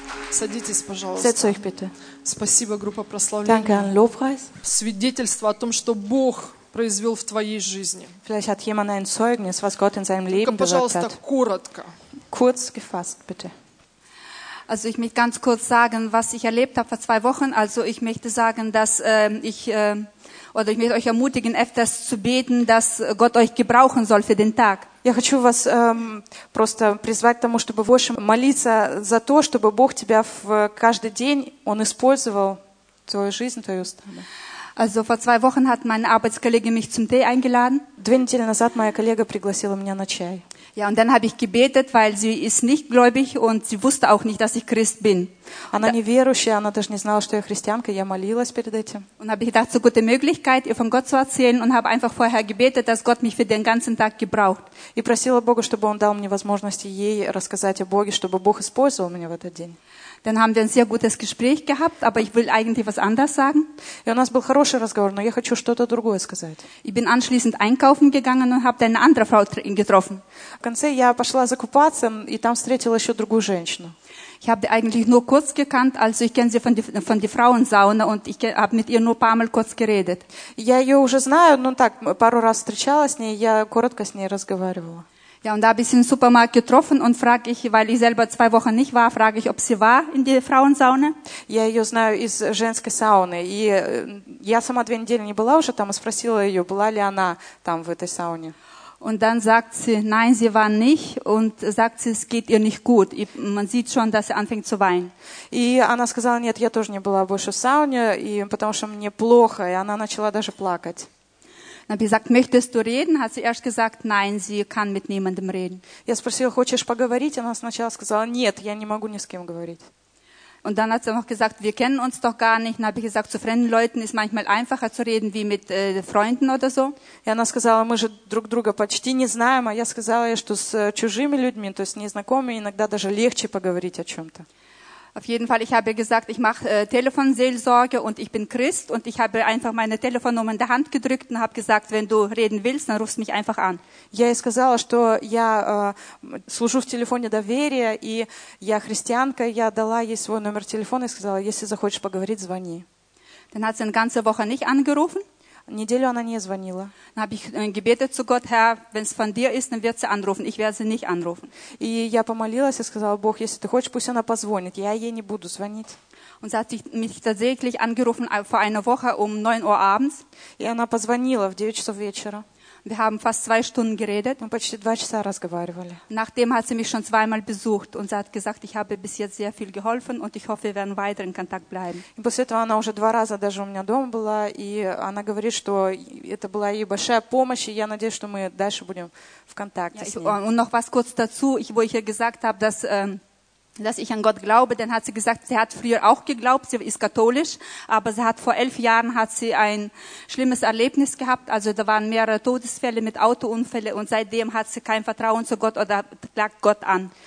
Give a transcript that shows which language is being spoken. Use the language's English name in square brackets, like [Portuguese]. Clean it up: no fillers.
[Russian] Садитесь, пожалуйста. [German] Setz euch bitte. [Russian] Спасибо, группа прославления. [German] Danke an Lobpreis. [Russian] Свидетельство о том, что Бог произвел в твоей жизни. [German] Vielleicht hat jemand ein Zeugnis, was Gott in seinem Leben bewirkt hat. [Russian] Пожалуйста, коротко. [German] Kurz gefasst, bitte. Also ich möchte ganz kurz sagen, was ich erlebt habe vor zwei Wochen. Also ich möchte sagen, dass ich möchte euch ermutigen, öfters zu beten, dass Gott euch gebrauchen soll für den Tag. [Russian] Я хочу вас просто призвать к тому, чтобы больше молиться за то, чтобы Бог тебя в каждый день он использовал твою жизнь, твою страну. [German] Also vor zwei Wochen hat mein Arbeitskollege mich zum Tee eingeladen. [Russian] Две недели назад моя коллега пригласила меня на чай. [German] Ja, und dann habe ich gebetet, weil sie ist nicht gläubig und sie wusste auch nicht, dass ich Christ bin. [Russian] Она не верующая, она даже не знала, что я христианка. Я молилась перед этим. [German] Und habe ich gedacht, so gute Möglichkeit, ihr von Gott zu erzählen und habe einfach vorher gebetet, dass Gott mich für den ganzen Tag gebraucht. [Russian] И просила Бога, чтобы он дал мне возможности ей рассказать о Боге, чтобы Бог использовал меня в этот день. [German] Dann haben wir ein sehr gutes Gespräch gehabt, aber ich will eigentlich was anderes sagen. [Russian] И у нас был хороший разговор, но я хочу что-то другое сказать. [German] Ich bin anschließend einkaufen gegangen und habe eine andere Frau getroffen. [Russian] В конце я пошла закупаться и там встретила еще другую женщину. [German] Ich habe eigentlich nur kurz gekannt, also ich kenne sie von die Frauensauna und ich habe mit ihr nur ein paar Mal kurz geredet. [Russian] Я ее уже знаю, ну так, пару раз встречалась с ней, я коротко с ней разговаривала. [German] Ja, und da habe ich sie im Supermarkt getroffen und frage ich, weil ich selber zwei Wochen nicht war, frage ich, ob sie war in der Frauensauna. [Russian] Я ее знаю из женской сауны. И я сама две недели не была уже там и спросила ее, была ли она там в этой сауне. [German] Und dann sagt sie, nein, sie war nicht, und sagt sie, es geht ihr nicht gut. Man sieht schon, dass sie anfängt zu weinen. [Russian] И она сказала, нет, я тоже не была больше в сауне, и потому что мне плохо, и она начала даже плакать. [German] Dann habe ich gesagt, möchtest du reden? Hat sie erst gesagt, nein, sie kann mit niemandem reden. [Russian] Я спросила, хочешь поговорить? Она сначала сказала, нет, я не могу ни с кем говорить. [German] Und dann hat sie auch gesagt, wir kennen uns doch gar nicht. Dann habe ich gesagt, zu fremden Leuten ist manchmal einfacher zu reden wie mit Freunden oder so. [Russian] И она сказала, мы же друг друга почти не знаем, а я сказала ей, что с чужими людьми, то есть незнакомыми, иногда даже легче поговорить о чем-то. [German] Auf jeden Fall, ich habe gesagt, ich mache Telefonseelsorge und ich bin Christ und ich habe einfach meine Telefonnummer in der Hand gedrückt und habe gesagt, wenn du reden willst, dann rufst mich einfach an. [Russian] Я ей сказала, что я служу в телефоне доверия и я христианка, я дала ей свой номер телефона и сказала, если захочешь поговорить, звони. [German] Dann hat sie eine ganze Woche nicht angerufen. [Russian] Неделю она не звонила. [German] Dann habe ich gebetet zu Gott, Herr, wenn es von dir ist, dann wird sie anrufen. Ich werde sie nicht anrufen. [Russian] И я помолилась и сказала, Бог, если ты хочешь, пусть она позвонит. Я ей не буду звонить. [German] Und sie hat mich tatsächlich angerufen vor einer Woche um 9 Uhr abends. [Russian] И она позвонила в 9 часов вечера. [German] Wir haben fast zwei Stunden geredet. [Russian] Мы почти два часа разговаривали. [German] Nachdem hat sie mich schon zweimal besucht und sie hat gesagt, ich habe bis jetzt sehr viel geholfen und ich hoffe, wir werden weiter in Kontakt bleiben. [Russian] И после этого она уже два раза даже у меня дома была, и она говорит, что это была ей большая помощь, и я надеюсь, что мы дальше будем в контакте. [German] Und noch was kurz dazu, wo ich ihr gesagt habe, dass ich an Gott glaube, dann hat sie gesagt, sie hat früher auch geglaubt, sie ist katholisch, aber sie hat vor 11 Jahren hat sie ein schlimmes Erlebnis gehabt, also da waren mehrere Todesfälle mit Autounfälle und seitdem hat sie kein Vertrauen zu Gott oder klagt Gott an.